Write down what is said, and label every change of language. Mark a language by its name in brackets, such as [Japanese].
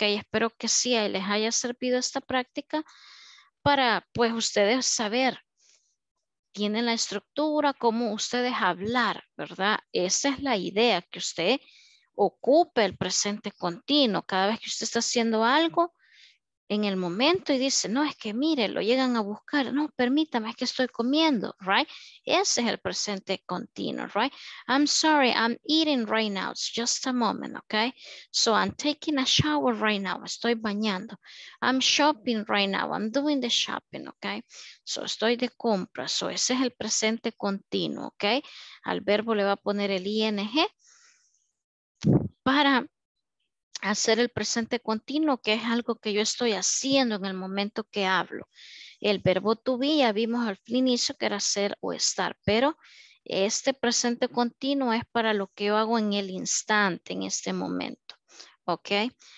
[Spanish] Espero que sí les haya servido esta práctica para, pues, ustedes saber, tienen la estructura, cómo ustedes hablar, ¿verdad? Esa es la idea, que usted ocupe el presente continuo. Cada vez que usted está haciendo algo en el momento y dice, no, es que mire, lo llegan a buscar, no, permítame, es que estoy comiendo, right? Ese es el presente continuo, right? [English] I'm sorry, I'm eating right now, it's just a moment, okay? So I'm taking a shower right now, [Spanish] estoy bañando. [English] I'm shopping right now, I'm doing the shopping, okay? [Spanish] So estoy de compras, so ese es el presente continuo, okay? Al verbo le va a poner el ing para... hacer el presente continuo, que es algo que yo estoy haciendo en el momento que hablo. El verbo to be ya vimos al inicio que era ser o estar, pero este presente continuo es para lo que yo hago en el instante, en este momento. ¿Ok?